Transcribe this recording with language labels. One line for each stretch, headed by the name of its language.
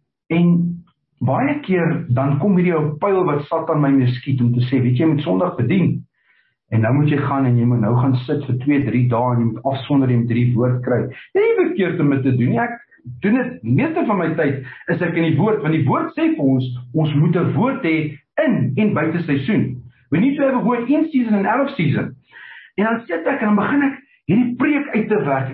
Afrikaans: En baie keer, dan kom hierdie ou pijl wat Satan my mee skiet, om te sê, weet jy, moet Sondag bedien. En nou moet jy gaan, en jy moet nou gaan sit vir 2-3 dae, en jy moet afsonder en drie woord kry. Jy nie verkeerd om dit te doen, ek doen dit, meeste van my tyd, is ek in die woord, want die woord sê vir ons, ons moet 'n woord hê, in en buite seisoen.
English: We need to have a word in season and out of season.
Afrikaans: En dan sit ek en dan begin ek hierdie preek uit te werk.